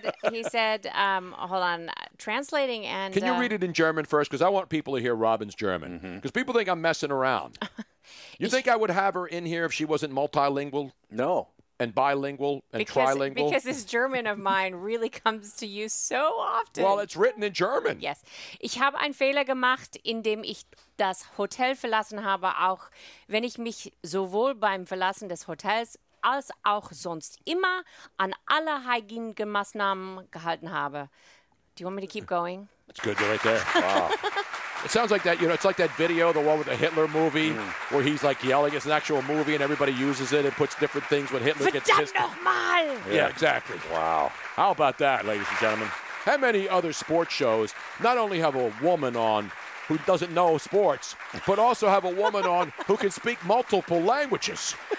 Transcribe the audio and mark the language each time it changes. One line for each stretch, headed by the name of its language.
English: he said. Hold on. Translating and. Can you read it in German first? Because I want people to hear Robin's German. Because people think I'm messing around. You think I would have her in here if she wasn't multilingual? No. And bilingual and trilingual? Because this German of mine really comes to you so often. Well, it's written in German. Yes.
German: Ich habe einen Fehler gemacht, indem ich das Hotel verlassen habe, auch wenn ich mich sowohl beim Verlassen des Hotels als auch sonst immer an alle Hygienemaßnahmen gehalten habe.
English: Do you want me to keep going? It's good. You're right there. Wow. It sounds like that, you know, it's like that video, the one with the Hitler movie, where he's like yelling. It's an actual movie and everybody uses it and puts different things when Hitler
German: Verdammt
English: gets pissed.
German: Nochmal!
English: Yeah, exactly. Wow. How about that, ladies and gentlemen? How many other sports shows not only have a woman on who doesn't know sports, but also have a woman on who can speak multiple languages?